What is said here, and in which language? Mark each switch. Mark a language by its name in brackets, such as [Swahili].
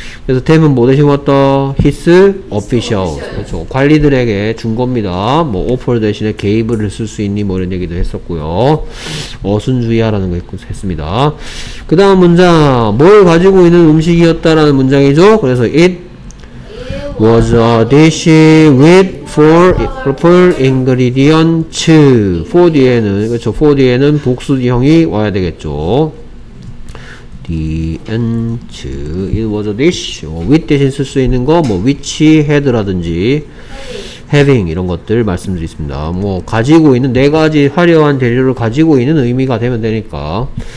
[Korean] 그래서 them은 뭐 대신 왔다? [English] his officials [Korean] 그렇죠. 관리들에게 준 겁니다. 뭐 offer 대신에 gave를 쓸 수 있니 뭐 이런 얘기도 했었고요. 어순주의하라는 거 있고 했습니다. 그 다음 문장 뭘 가지고 있는 음식이었다라는 문장이죠. [English] 그래서 it was a dish with four ingredients. [Korean] for 뒤에는, 그렇죠. for 뒤에는 복수형이 와야 되겠죠. the end. [English] it was a dish. [Korean] with 대신 쓸 수 있는 거, 뭐, which had 라든지, having 이런 것들 말씀드리겠습니다. 뭐, 가지고 있는, 네 가지 화려한 재료를 가지고 있는 의미가 되면 되니까.